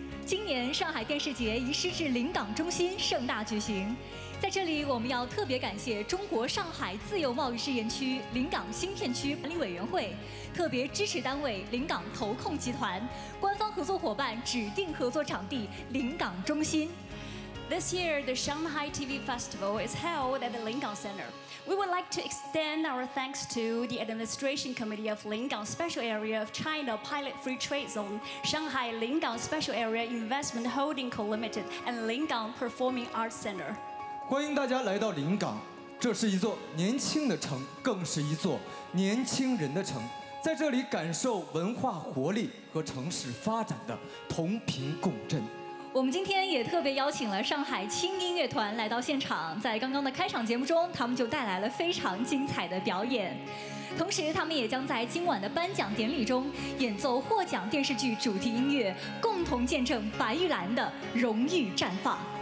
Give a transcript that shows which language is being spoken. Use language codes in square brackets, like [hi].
[zh] 今年上海电视节移师至临港中心盛大举行，在这里我们要特别感谢中国上海自由贸易试验区临港新片区管理委员会，特别支持单位临港投控集团，官方合作伙伴指定合作场地临港中心。 [en] This year, the Shanghai TV Festival is held at the Lingang Center. We would like to extend our thanks to the Administration Committee of Lingang Special Area of China Pilot Free Trade Zone, Shanghai Lingang Special Area Investment Holding Co. Limited, and Lingang Performing Arts Center. [zh] 欢迎大家来到临港，这是一座年轻的城，更是一座年轻人的城。在这里感受文化活力和城市发展的同频共振。我们今天也特别邀请了上海青音乐团来到现场，在刚刚的开场节目中，他们就带来了非常精彩的表演，同时他们也将在今晚的颁奖典礼中演奏获奖电视剧主题音乐，共同见证白玉兰的荣誉绽放。